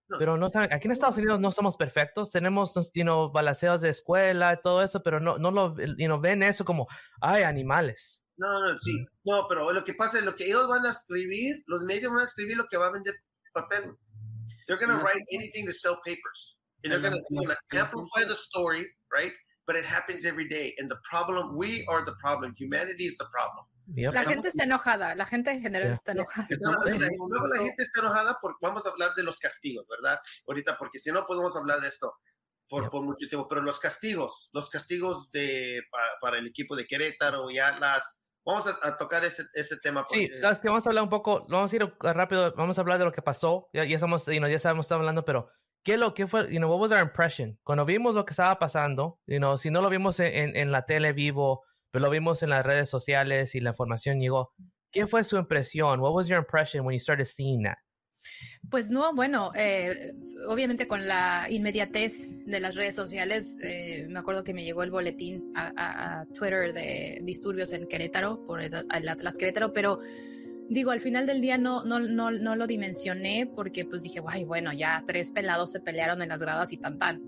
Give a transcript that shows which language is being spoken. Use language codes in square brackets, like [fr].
[es] Pero no saben, aquí en Estados Unidos no somos perfectos, tenemos, balaceos de escuela y todo eso, pero no lo ven eso como, ay, animales. No, pero lo que pasa es lo que ellos van a escribir, los medios van a escribir lo que va a vender papel. [en] They're going to write anything to sell papers. And they're going to amplify the story, right? But it happens every day. And the problem, we are the problem. Humanity is the problem. [es] Yep. La gente está enojada, la gente en general está enojada. Luego la gente está enojada porque vamos a hablar de los castigos, ¿verdad? Ahorita, porque si no podemos hablar de esto por mucho tiempo, pero los castigos de para el equipo de Querétaro y Atlas. Vamos a tocar ese tema. Sí, sabes que vamos a hablar un poco, vamos a ir rápido, vamos a hablar de lo que pasó, ya sabemos, estamos hablando, pero ¿qué fue, [en] you know, what was our impression? [es] Cuando vimos lo que estaba pasando, [en] you know, [es] si no lo vimos en la tele vivo, pero lo vimos en las redes sociales y la información llegó, ¿qué fue su impresión? [en] What was your impression when you started seeing that? [es] Pues no, bueno, obviamente con la inmediatez de las redes sociales, me acuerdo que me llegó el boletín a Twitter de disturbios en Querétaro, por el Atlas Querétaro, pero digo, al final del día no lo dimensioné porque pues dije, guay, bueno, ya tres pelados se pelearon en las gradas y tan,